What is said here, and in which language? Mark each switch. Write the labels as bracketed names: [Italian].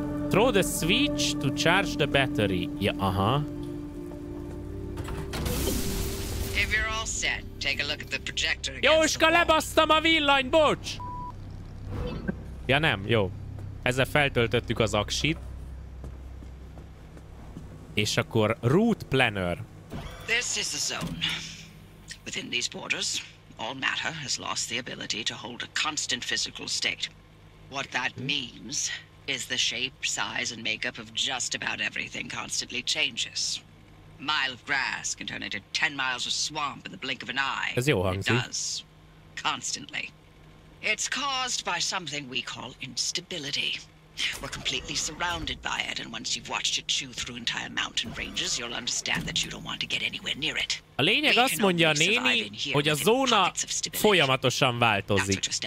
[English] Throw the switch to charge the battery. [Hungarian] Ja, aha. [English] If you're all set, take a look at the projector against the wall. [Hungarian] Jóska, lebasztam a villany, bocs! Ja nem, jó. Ezzel feltöltöttük az aksit. És akkor route planner. [English] This is the zone. Within these borders, all matter has lost the ability to hold a constant physical state. What that means is the shape, size and makeup of just about everything constantly changes. A mile of grass can turn into 10 miles of swamp in the blink of an eye. [Hungarian] Ez jó hangzik. [English] It does. Constantly. It's caused by something we call instability. We're completely surrounded by it, and once you've watched it chew through entire mountain ranges, you'll understand that you don't want to get anywhere near it. [Hungarian] A lényeg azt mondja a néni, hogy a zóna folyamatosan változik.